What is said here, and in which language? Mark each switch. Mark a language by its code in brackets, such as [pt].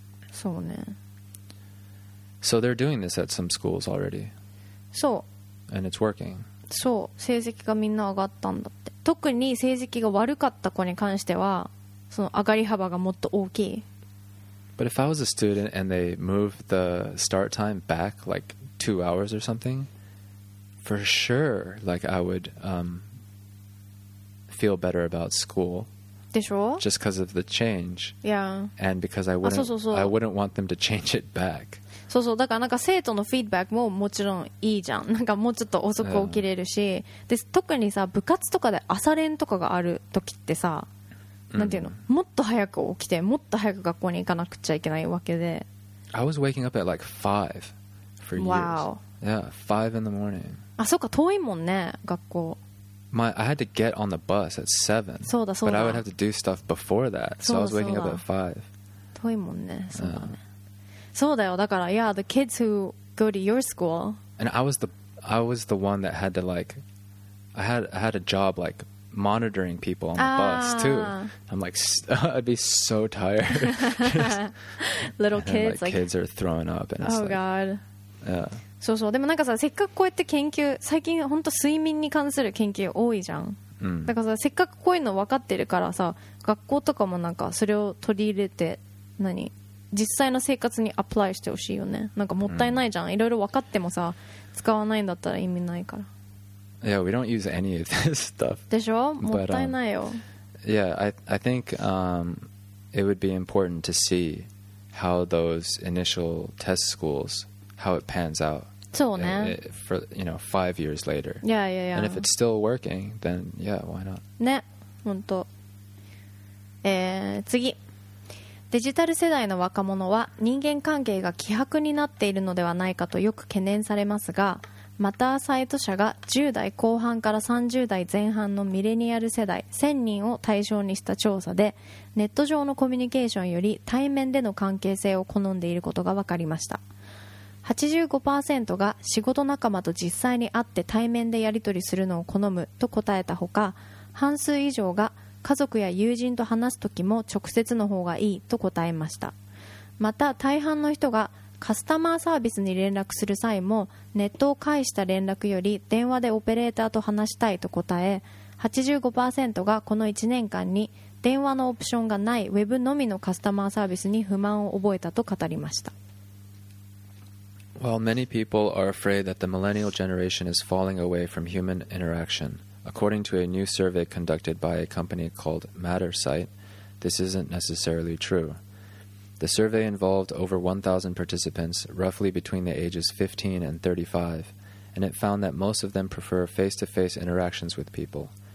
[en] So they're doing this at some schools already. So. And it's working. [ja] そう、成績がみんな上がったんだって。特に成績が悪かった子に関しては、その上がり幅がもっと大きい。 [en] But if I was a student and they moved the start time back like 2 hours or something, for sure, like I would feel better about school. [ja] でしょ？ [en] Just because of the change. Yeah. And because I wouldn't, I wouldn't want them to change it back. [ja] そうそう、だからなんか生徒のフィードバックももちろんいいじゃん。なんかもうちょっと遅く起きれるし、で特にさ部活とかで朝練とかがある時ってさ、なんていうの、もっと早く起きてもっと早く学校に行かなくちゃいけないわけで。 [en] I was waking up at like 5 for years. Wow. Yeah, 5 in the morning. [ja] あ、そっか、遠いもんね学校。 [en] My, I had to get on the bus at 7. [ja] そうだそうだ。 [en] But I would have to do stuff before that, so I was waking up at 5. [ja] 遠いもんね、そうだね。そうだよ。だから、 [en] yeah, the kids who go to your school. And I was the one that had to like, I had a job like monitoring people on the bus too. I'm like, I'd be so tired. Little and kids, then, like kids are throwing up. And it's oh like, god. Yeah. [ja] そうそう。でもなんかさ、せっかくこうやって研究、最近本当睡眠に関する研究多いじゃん。だからさ、せっかくこういうの分かってるからさ、学校とかもなんかそれを取り入れて何。実際の生活にアプライしてほしいよね。なんかもったいないじゃん。いろいろ分かってもさ、使わないんだったら意味ないから。 [en] Yeah, we don't use any of this stuff. [ja] でしょ？もったいないよ。 [en] Yeah, I think it would be important to see how those initial test schools, how it pans out. [ja] そうね。 [en] For, you know, 5 years later. Yeah, yeah, yeah. And if it's still working, then yeah, why not? [ja] ね、ほんと。次。デジタル世代の若者は人間関係が希薄になっているのではないかとよく懸念されますが、またサイト社が10代後半から30代前半のミレニアル世代1000人を対象にした調査で、ネット上のコミュニケーションより対面での関係性を好んでいることが分かりました。 85% が仕事仲間と実際に会って対面でやり取りするのを好むと答えたほか、半数以上が家族や友人と話すときも直接の方がいいと答えました。また大半の人がカスタマーサービスに連絡する際もネットを介した連絡より電話でオペレーターと話したいと答え、 85% がこの1年間に電話のオプションがないウェブのみのカスタマーサービスに不満を覚えたと語りました。 [en] While many people are afraid that the millennial generation is falling away from human interaction,According to a new survey conducted by a company called Mattersight, this isn't necessarily true. The survey involved over 1,000 participants, roughly between the ages 15 and 35, and it found that most of them prefer face-to-face interactions with people.